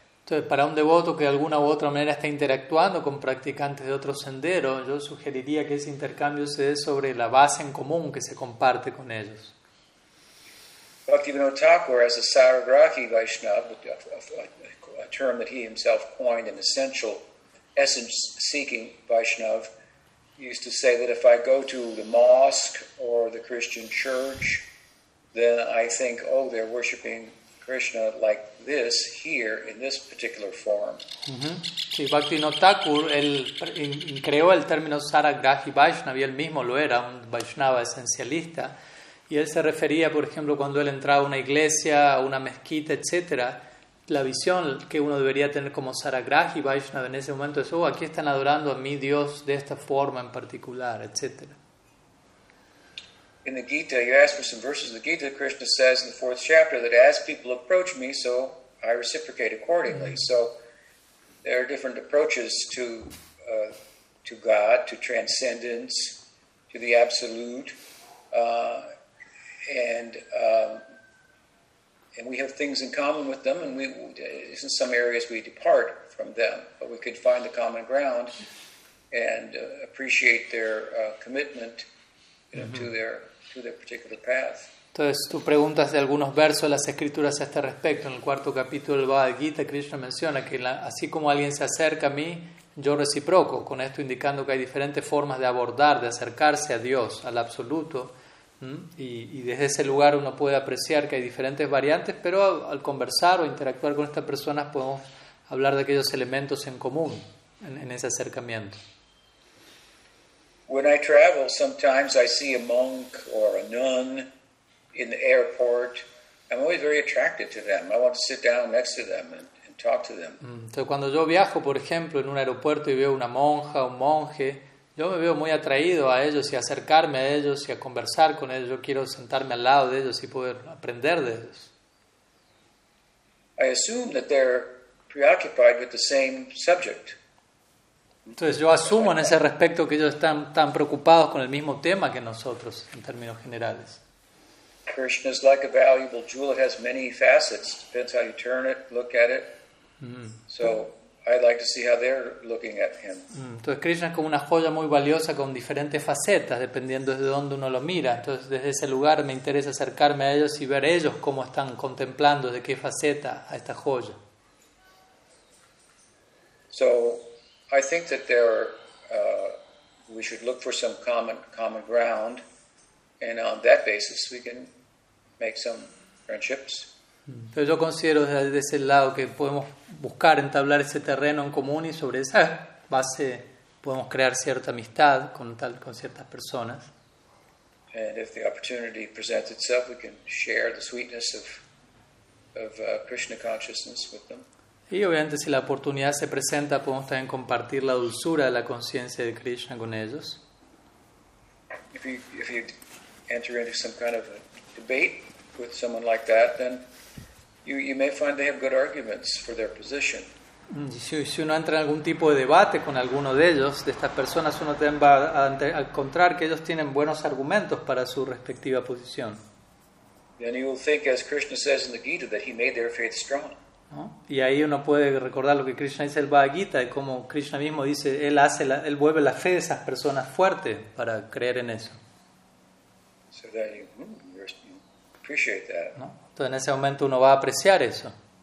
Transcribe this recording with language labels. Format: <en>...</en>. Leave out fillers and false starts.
<es>Entonces, para un devoto que de alguna u otra manera está interactuando con practicantes de otro sendero, yo sugeriría que ese intercambio se dé sobre la base en común que se comparte con ellos.</es> <en>Bhaktivinoda Thakur, as a Saragrahi Vaishnava, a term that he himself coined, an essential essence-seeking Vaishnav, used to say that if I go to the mosque or the Christian church, then I think, oh, they're worshipping Krishna like this here in this particular form.</en> <es>Sí, Bhaktivinoda Thakur, él creó el término Saragrahi Vaishnava y él mismo lo era, un Vaishnava esencialista. Y él se refería, por ejemplo, cuando él entraba a una iglesia, a una mezquita, etc., la visión que uno debería tener como Saragrahi Vaishnava en ese momento es, oh, aquí están adorando a mi Dios de esta forma en particular, etc.</es> <en>In the Gita, you ask for some verses of the Gita, Krishna says in the fourth chapter that as people approach me, so I reciprocate accordingly. Mm-hmm. So there are different approaches to God, to transcendence, to the absolute, and we have things in common with them, and in some areas we depart from them, but we could find the common ground and appreciate their commitment, you know, mm-hmm. to their particular path.</en> <es>Entonces, tú preguntas de algunos versos de las escrituras a este respecto. En el cuarto capítulo del Bhagavad Gita, Krishna menciona que así como alguien se acerca a mí, yo reciproco, con esto indicando que hay diferentes formas de abordar, de acercarse a Dios, al absoluto. Y desde ese lugar uno puede apreciar que hay diferentes variantes, pero al conversar o interactuar con estas personas podemos hablar de aquellos elementos en común en ese acercamiento.</es> <en>When I travel, sometimes I see a monk or a nun in the airport. I'm always very attracted to them. I want to sit down next to them and talk to them.</en> <es>Entonces, cuando yo viajo, por ejemplo, en un aeropuerto y veo una monja o un monje, yo me veo muy atraído a ellos y acercarme a ellos y a conversar con ellos. Yo quiero sentarme al lado de ellos y poder aprender de ellos.</es> <en>I assume that they're preoccupied with the same subject.</en> <es>Entonces yo asumo en ese respecto que ellos están tan preocupados con el mismo tema que nosotros en términos generales.</es> <en>Krishna is like a valuable jewel. It has many facets. Depends how you turn it, look at it. So I'd like to see how they're looking at him.</en> <es>Entonces Krishna es como una joya muy valiosa con diferentes facetas dependiendo de dónde uno lo mira. Entonces desde ese lugar me interesa acercarme a ellos y ver ellos cómo están contemplando de qué faceta a esta joya.</es> <en>So I think that there we should look for some common ground, and on that basis we can make some friendships.</en> <es>Pero yo considero desde ese lado que podemos buscar entablar ese terreno en común y sobre esa base podemos crear cierta amistad con ciertas personas.</es> <en>And if the opportunity presents itself, we can share the sweetness of Krishna consciousness with them.</en> <es>Y obviamente si la oportunidad se presenta, podemos también compartir la dulzura de la conciencia de Krishna con ellos.</es> <en>If you enter into some kind of a debate with someone like that, then you may find they have good arguments for their position.</en> <es>Si uno entra en algún tipo de debate con alguno de ellos, de estas personas, uno va a encontrar que ellos tienen buenos argumentos para su respectiva posición.</es> <en>Then you will think, as Krishna says in the Gita, that he made their faith strong.</en> <es>¿No? Y ahí uno puede recordar lo que Krishna dice en el Bhagavad Gita, de cómo Krishna mismo dice, él vuelve la fe de esas personas fuerte para creer en eso.</es> <en>So that you appreciate that.</en> <es>¿No? Entonces en ese momento uno va a apreciar eso.</es>